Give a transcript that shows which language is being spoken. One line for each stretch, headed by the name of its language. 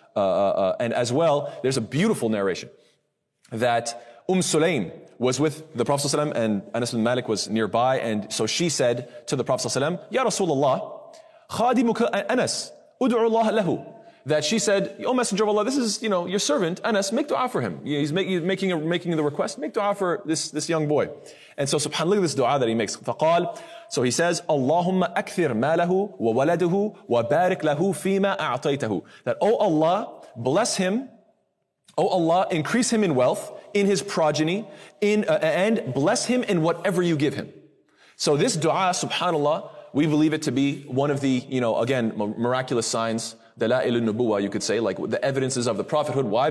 English: And as well, there's a beautiful narration that Sulaim was with the Prophet sallam, and Anas bin Malik was nearby. And so she said to the Prophet sallam, Ya Rasulullah,
Arabic: خادمك أنس أدعو الله له.
English: That she said, O Messenger of Allah, this is, you know, your servant Anas, make dua for him. He's making the request, make dua for this young boy. And so subhanAllah, this dua that he makes.
Arabic: فقال,
English: so he says,
Arabic: اللهم أكثر ماله وولده وبارك له فيما أعطيته.
English: That, O Allah, bless him. O Allah, increase him in wealth, in his progeny, and bless him in whatever you give him. So this dua, subhanAllah, we believe it to be one of the, you know, again, miraculous signs, dalailun nubuwa, you could say, like the evidences of the prophethood. Why?